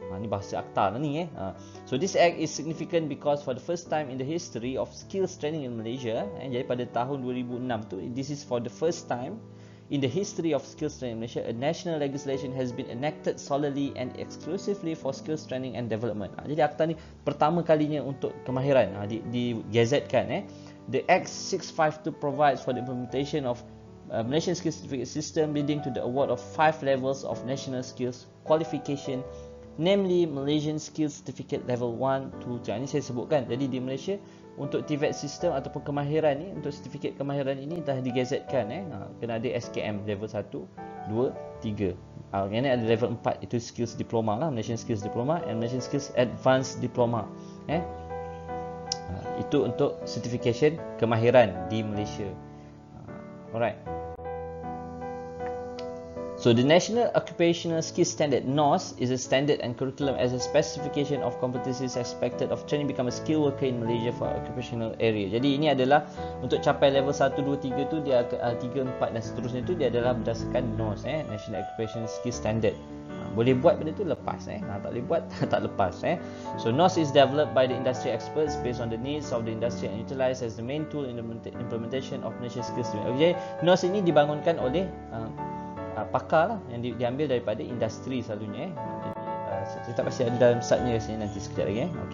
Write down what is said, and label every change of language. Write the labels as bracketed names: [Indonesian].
[Malay] Ha, ni bahasa akta lah ni eh. [English] So this act is significant because for the first time in the history of skills training in Malaysia, eh, [Malay] jadi pada tahun 2006 tu, [English] this is for the first time in the history of skills training in Malaysia, a national legislation has been enacted solely and exclusively for skills training and development. [Malay] Ha, jadi akta ni pertama kalinya untuk kemahiran digazetkan. Eh. [English] The Act 652 provides for the implementation of Malaysian Skills Certificate System leading to the award of 5 levels of national skills qualification, namely Malaysian Skills Certificate Level 1-2. [Malay] Yang ini saya sebutkan. Jadi di Malaysia untuk TVET system ataupun kemahiran ni, untuk sertifikat kemahiran ini dah digazetkan, eh, kena ada SKM Level 1, 2, 3. Yang ini ada Level 4, itu Skills Diploma lah, Malaysian Skills Diploma and Malaysian Skills Advanced Diploma, eh, itu untuk certification kemahiran di Malaysia. Alright. [English] So the National Occupational Skills Standard, NOS, is a standard and curriculum as a specification of competencies expected of training become a skill worker in Malaysia for occupational area. [Malay] Jadi ini adalah untuk capai level 1, 2, 3 tu, dia 3, 4 dan seterusnya tu, dia adalah berdasarkan NOS, eh, National Occupational Skills Standard. Boleh buat benda tu lepas, eh, tak boleh buat tak lepas, eh. [English] So NOS is developed by the industry experts based on the needs of the industry and utilized as the main tool in the implementation of Malaysian skills. [Malay] Okay, jadi NOS ini dibangunkan oleh pakar lah, yang diambil daripada industri selalunya, eh. Jadi, saya tak pasti ada dalam site-nya sini, nanti sekejap lagi, eh.